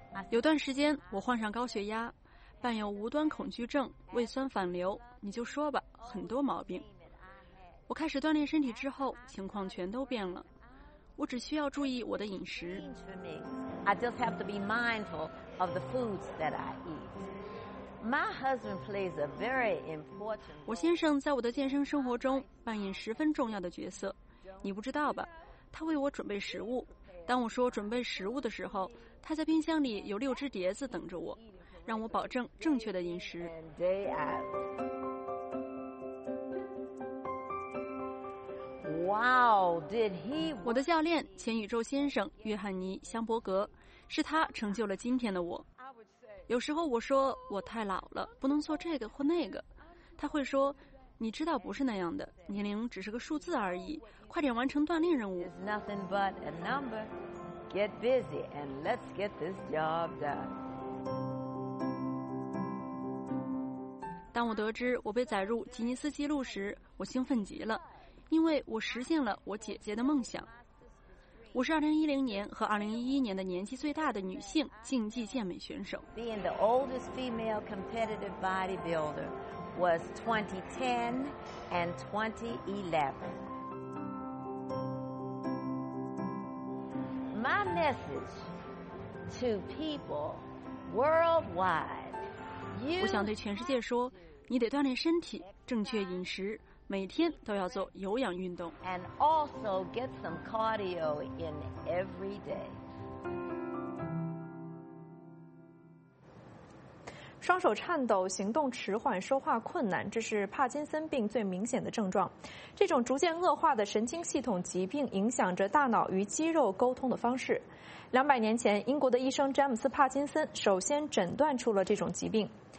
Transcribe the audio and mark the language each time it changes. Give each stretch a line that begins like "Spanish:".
Chinese: 有段时间我患上高血压，伴有无端恐惧症、胃酸反流，你就说吧，很多毛病。我开始锻炼身体之后，情况全都变了。我只需要注意我的饮食。
English: I just have to be mindful of the foods that I eat. My husband plays a very important role.
Chinese: 我先生在我的健身生活中扮演十分重要的角色，你不知道吧？他为我准备食物。当我说准备食物的时候，他在冰箱里有六只碟子等着我，让我保证正确的饮食。我的教练前宇宙先生约翰尼·香伯格，是他成就了今天的我。有时候我说我太老了，不能做这个或那个，他会说，你知道不是那样的，年龄只是个数字而已，快点完成锻炼任务。
English: It's nothing but a number. Get busy and let's get this job done.
Chinese: 当我得知我被载入吉尼斯纪录时，我兴奋极了，因为我实现了我姐姐的梦想。我是2010年和2011年的年纪最大的女性竞技健美选手。
English: Being the oldest female competitive bodybuilder was 2010 and 2011. My message to people worldwide: You.
Chinese: 我想对全世界说，你得锻炼身体，正确饮食。每天都要做有氧运动。
English: And also get some cardio in every day.
Chinese: 双手颤抖、行动迟缓、说话困难，这是帕金森病最明显的症状。这种逐渐恶化的神经系统疾病影响着大脑与肌肉沟通的方式。 200年前，英国的医生詹姆斯·帕金森首先诊断出了这种疾病。